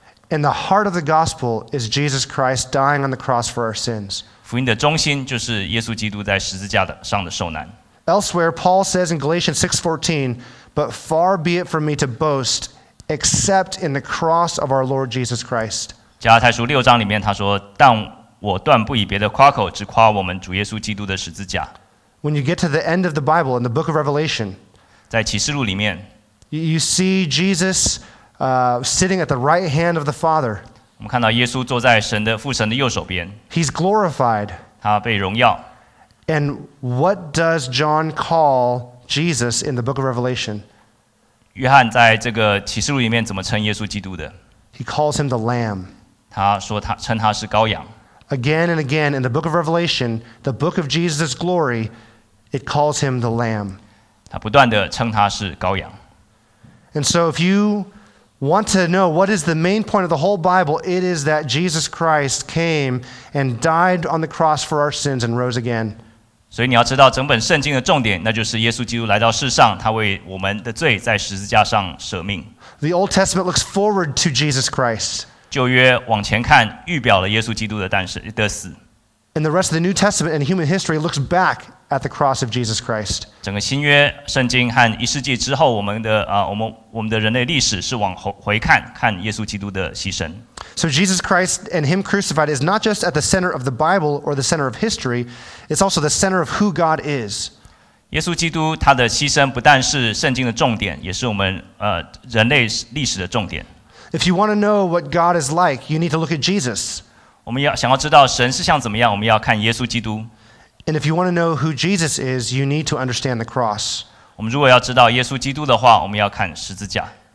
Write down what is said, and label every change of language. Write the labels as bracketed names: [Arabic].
[English] And the heart of the gospel is Jesus Christ dying on the cross for our sins. [Chinese] 福音的中心就是耶稣基督在十字架上的受难。 [English] Elsewhere, Paul says in Galatians 6:14, "But far be it from me to boast, except in the cross of our Lord Jesus Christ." [Chinese] 加拉太书六章里面他说：“但我断不以别的夸口，只夸我们主耶稣基督的十字架。” [English] When you get to the end of the Bible in the Book of Revelation, [Chinese] 在启示录里面 [English] ，you see Jesus, sitting at the right hand of the Father. [Chinese] 我们看到耶稣坐在神的父神的右手边。 [English] He's glorified. [Chinese] 他被荣耀。 [English] And what does John call Jesus in the book of Revelation? [Chinese] 约翰在这个启示录里面怎么称耶稣基督的？ [English] He calls him the Lamb. [Chinese] 他说他称他是羔羊。 [English] Again and again in the book of Revelation, the book of Jesus' glory, it calls him the Lamb. [Chinese] 他不断地称他是羔羊。 [English] And so if you want to know what is the main point of the whole Bible, it is that Jesus Christ came and died on the cross for our sins and rose again. [Chinese] 所以你要知道整本圣经的重点，那就是耶稣基督来到世上，他为我们的罪在十字架上舍命。 [English] The Old Testament looks forward to Jesus Christ. [Chinese] 旧约往前看，预表了耶稣基督的诞生的死。 [English] And the rest of the New Testament and human history looks back at the cross of Jesus Christ. [Chinese] 整个新约圣经和一世纪之后，我们的人类历史是往回看，看耶稣基督的牺牲。 [English] So Jesus Christ and Him crucified is not just at the center of the Bible or the center of history; it's also the center of who God is. [Chinese] 耶稣基督他的牺牲不但是圣经的重点，也是我们人类历史的重点。 [English] If you want to know what God is like, you need to look at Jesus. [Chinese] 我们要想要知道神是像怎么样，我们要看耶稣基督。 [English] And if you want to know who Jesus is, you need to understand the cross. [Chinese] 我们如果要知道耶稣基督的话，我们要看十字架。